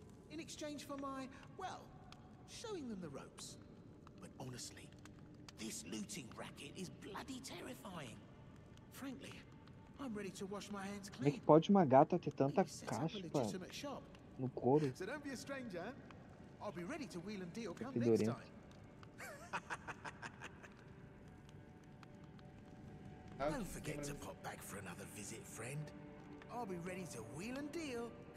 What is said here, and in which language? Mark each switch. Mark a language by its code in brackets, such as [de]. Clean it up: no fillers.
[en] In exchange for my, well, showing them the ropes. honestly. This looting racket is bloody terrifying. Frankly, I'm ready to wash my hands clean. [pt] Como é que pode uma gata ter tanta caspa no couro? [en] So don't be a stranger. I'll be ready to wheel and deal come next time. Don't forget to pop back for another visit, friend. I'll be ready to wheel and deal.